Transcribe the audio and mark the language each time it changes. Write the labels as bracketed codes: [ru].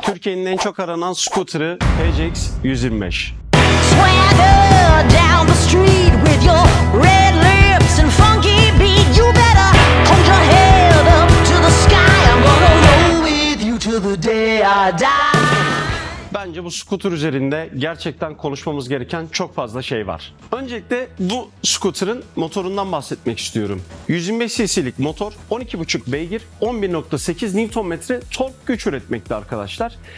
[tr] Türkiye'nin en çok aranan scooter'ı HX 125. [en] Swagger down the street with your red lips and funky beat. You better hold your head up to the sky. I'm gonna roll with you till the day I die. [tr] Bence bu scooter üzerinde gerçekten konuşmamız gereken çok fazla şey var. Öncelikle bu scooter'ın motorundan bahsetmek istiyorum. 125 cc'lik motor 12.5 beygir, 11.8 Nm tork güç üretmekte arkadaşlar.